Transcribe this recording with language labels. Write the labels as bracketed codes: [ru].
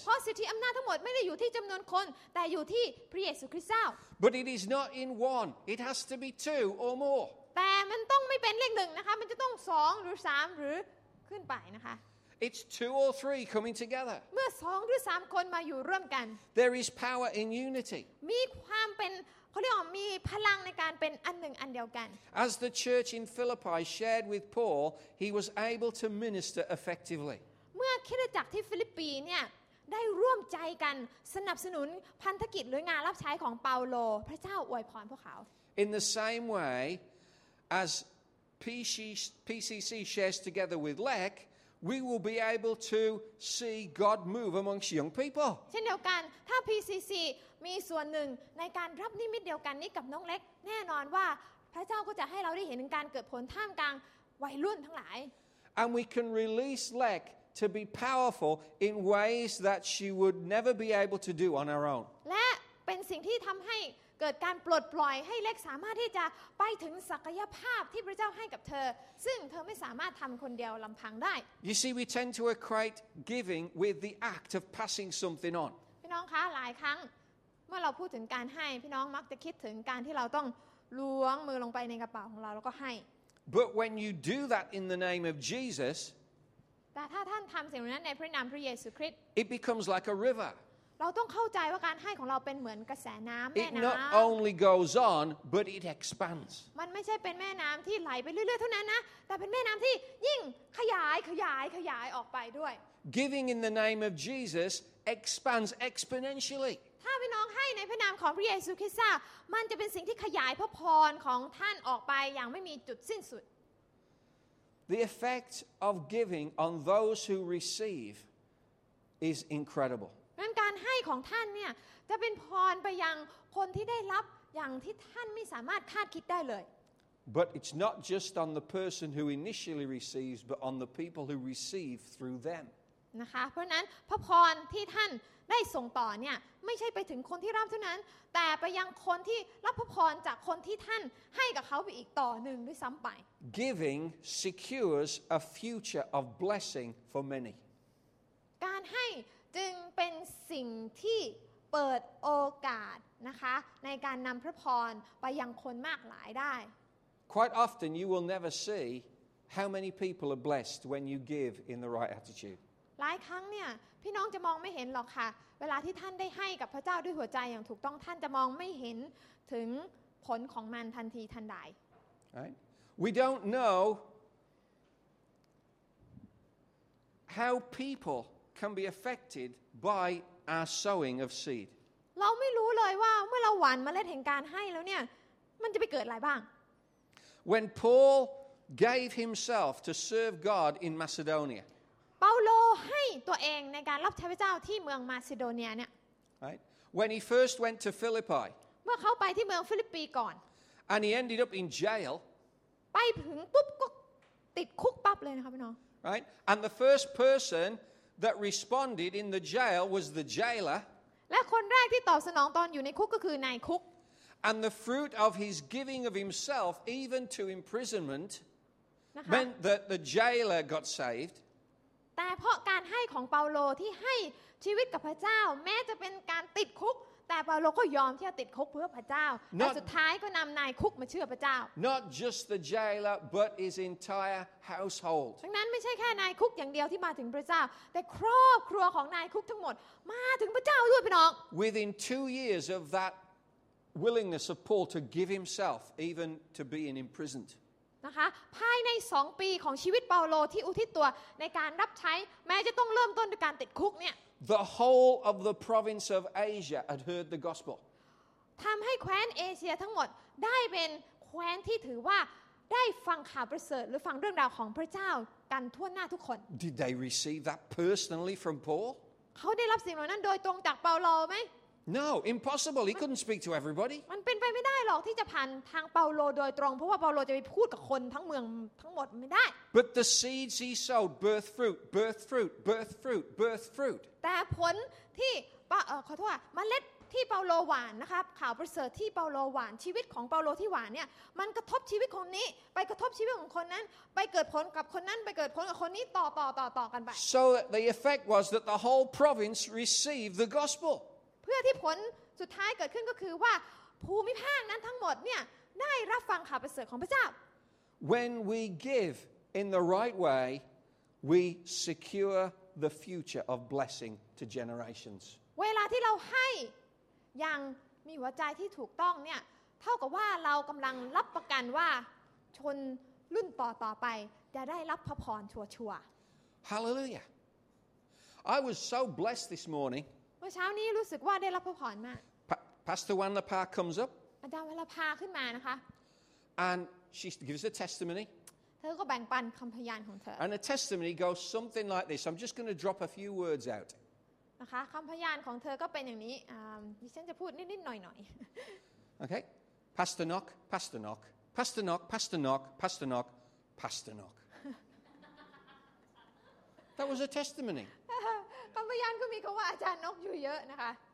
[th] เพราะสิทธิอำนาจทั้งหมดไม่ได้อยู่ที่จำนวนคนแต่อยู่ที่พระเยซูคริสต์เจ้า [en] But it is not in one. It has to be two or more. [th] แต่มันต้องไม่เป็นเลขหนึ่งนะคะมันจะต้องสองหรือสามหรือขึ้นไปนะคะ [en] It's two or three coming together [th] เมื่อสองหรือสามคนมาอยู่ร่วมกัน [en] There is power in unity [th] มีความเป็นเขาเรียกว่ามีพลังในการเป็นอันหนึ่งอันเดียวกัน [en] As the church in Philippi shared with Paul he was able to minister effectively [th] เมื่อคริสตจักรที่ฟิลิปปีเนี่ยได้ร่วมใจกันสนับสนุนพันธกิจหรืองานรับใช้ของเปาโลพระเจ้าอวยพรพวกเขา [en] In the same way as PCC shares together with LEC we will be able to see God move amongst young people [th] เช่นเดียวกันถ้า PCC มีส่วนหนึ่งในการรับนิมิตเดียวกันนี้กับน้องเล็กแน่นอนว่าพระเจ้าก็จะให้เราได้เห็นการเกิดผลท่ามกลางวัยรุ่นทั้งหลาย [en] And we can release LEC to be powerful in ways that she would never be able to do on her own [th] และเป็นสิ่งที่ทําใหเกิดการปลดปล่อยให้เล็กสามารถที่จะไปถึงศักยภาพที่พระเจ้าให้กับเธอซึ่งเธอไม่สามารถทำคนเดียวลำพังได้ [en] You see we tend to equate giving with the act of passing something on [th] พี่น้องคะหลายครั้งเมื่อเราพูดถึงการให้พี่น้องมักจะคิดถึงการที่เราต้องล้วงมือลงไปในกระเป๋าของเราแล้วก็ให้ [en] But when you do that in the name of Jesus [th] แต่ถ้าท่านทำสิ่งนั้นในพระนามพระเยซูคริสต์ [en] It becomes like a river [th] เราต้องเข้าใจว่าการให้ของเราเป็นเหมือนกระแสน้ำแม่น้ำ [en] It not only goes on but it expands [th] มันไม่ใช่เป็นแม่น้ำที่ไหลไปเรื่อยๆเท่านั้นนะแต่เป็นแม่น้ำที่ยิ่งขยายขยายขยายออกไปด้วย [en] Giving in the name of Jesus expands exponentially [th] ถ้าพี่น้องให้ในพระนามของพระเยซูคริสต์มันจะเป็นสิ่งที่ขยายพระพรของท่านออกไปอย่างไม่มีจุดสิ้นสุด [en] The effect of giving on those who receive is incredible [th] นั้นการให้ของท่านเนี่ยจะเป็นพรไปยังคนที่ได้รับอย่างที่ท่านไม่สามารถคาดคิดได้เลย [en] But it's not just on the person who initially receives but on the people who receive through them [th] นะคะเพราะนั้นพระพรที่ท่านได้ส่งต่อเนี่ยไม่ใช่ไปถึงคนที่รับเท่านั้นแต่ไปยังคนที่รับพระพรจากคนที่ท่านให้กับเขาไปอีกต่อหนึ่งด้วยซ้ำไป [en] Giving secures a future of blessing for many [th] การให้จึงเป็นสิ่งที่เปิดโอกาสนะคะในการนำพระพรไปยังคนมากหลายได้ [en] Quite often you will never see how many people are blessed when you give in the right attitude [th] หลายครั้งเนี่ยพี่น้องจะมองไม่เห็นหรอกค่ะเวลาที่ท่านได้ให้กับพระเจ้าด้วยหัวใจอย่างถูกต้องท่านจะมองไม่เห็นถึงผลของมันทันทีทันใด [en] Right We don't know how peoplecan be affected by our sowing of seed. [th] เราไม่รู้เลยว่าเมื่อเราหว่านเมล็ดแห่งการให้แล้วเนี่ยมันจะไปเกิดอะไรบ้าง [en] When Paul gave himself to serve God in Macedonia. [th] เปาโลให้ตัวเองในการรับใช้พระเจ้าที่เมืองมาซิโดเนียเนี่ย [en] Right. When he first went to Philippi. [th] เมื่อเขาไปที่เมืองฟิลิปปีก่อน [en] And he ended up in jail. [th] ไปถึงปุ๊บก็ติดคุกปั๊บเลยนะคะพี่น้อง [en] Right. And the first personthat responded in the jail was the jailer [th] และคนแรกที่ตอบสนองตอนอยู่ในคุกก็คือนายคุก [en] and the fruit of his giving of himself even to imprisonment meant that the jailer got saved [th] แต่เพราะการให้ของเปาโลที่ให้ชีวิตกับพระเจ้าแม้จะเป็นการติดคุกแต่เปาโลก็ยอมที่จะติดคุกเพื่อพระเจ้าและสุดท้ายก็นำนายคุกมาเชื่อพระเจ้า [en] Not just the jailer but his entire household [th] ดังนั้นไม่ใช่แค่นายคุกอย่างเดียวที่มาถึงพระเจ้าแต่ครอบครัวของนายคุกทั้งหมดมาถึงพระเจ้าด้วยพี่น้อง [en] Within 2 years of that willingness of Paul to give himself even to being imprisoned [th] นะคะภายใน2 ปีของชีวิตเปาโลที่อุทิศตัวในการรับใช้แม้จะต้องเริ่มต้นด้วยการติดคุกเนี่ย [en] The whole of the province of Asia had heard the gospel. [th] ทำให้แคว้นเอเชียทั้งหมดได้เป็นแคว้นที่ถือว่าได้ฟังข่าวประเสริฐหรือฟังเรื่องราวของพระเจ้ากันทั่วหน้าทุกคน [en] Did they receive that personally from Paul? [th] เขาได้รับสิ่งเหล่านั้นโดยตรงจากเปาโลไหม [en] No, impossible. He couldn't speak to everybody. [th] มันเป็นไปไม่ได้หรอกที่จะผ่านทางเปาโลโดยตรงเพราะว่าเปาโลจะไปพูดกับคนทั้งเมืองทั้งหมดไม่ได้ [en] But the seeds he sowed birth fruit, birth fruit, birth fruit, birth fruit. [th] แต่ผลที่ขอโทษเมล็ดที่เปาโลหว่านนะครับข่าวประเสริฐที่เปาโลหว่านชีวิตของเปาโลที่หว่านเนี่ยมันกระทบชีวิตคนนี้ไปกระทบชีวิตของคนนั้นไปเกิดผลกับคนนั้นไปเกิดผลกับคนนี้ต่อกันไป [en] So the effect was that the whole province received the gospel [th] เพื่อที่ผลสุดท้ายเกิดขึ้นก็คือว่าภูมิภาคนั้นทั้งหมดเนี่ยได้รับฟังข่าวประเสริฐของพระเจ้า [en] When we give in the right way, we secure the future of blessing to generations. [th] เวลาที่เราให้อย่างมีหัวใจที่ถูกต้องเนี่ยเท่ากับว่าเรากำลังรับประกันว่าชนรุ่นต่อๆไปจะได้รับพระพรชัวร์ชัวร์ [en] Hallelujah. I was so blessed this morning. [th] เมื่อเช้านี้รู้สึกว่าได้รับพระพรมาก [en] Pastor Wanda Pa comes up. [th] อาจารย์วัลภาขึ้นมานะคะ [en] And she gives a testimony. [th] เธอก็แบ่งปันคำพยานของเธอ [en] And the testimony goes something like this. I'm just going to drop a few words out. [th] นะคะคำพยานของเธอก็เป็นอย่างนี้ดิฉันจะพูดนิดๆหน่อยๆ [en] โอเค Pastor Knock Pastor Knock Pastor Knock Pastor Knock Pastor Knock Pastor Knock That was a testimony [th] คำพยานก็มีคำว่าอาจารย์นกอยู่เยอะนะคะ